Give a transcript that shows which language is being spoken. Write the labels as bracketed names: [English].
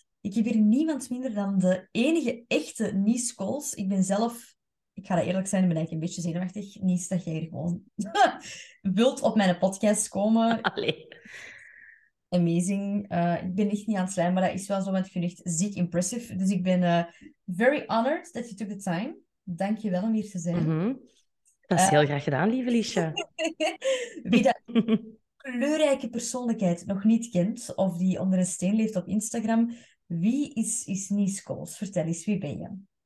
[Dutch] Ik heb hier niemand minder dan de enige echte Nies Kools. Ik ben zelf, ik ga dat eerlijk zijn, ben eigenlijk een beetje zenuwachtig. Nies, dat jij hier gewoon wilt op mijn podcast komen. Allee. [English] Amazing. [Dutch] Ik ben echt niet aan het slijmen, maar dat is wel zo, want ik vind het echt ziek impressive. Dus ik ben [English] very honored that you took the time. [Dutch] Dank je wel om hier te zijn. Mm-hmm. Dat is heel graag gedaan, lieve Liesje. Wie dat kleurrijke persoonlijkheid nog niet kent, of die onder een steen leeft op Instagram, wie is Nies Kools? Vertel eens, wie ben je?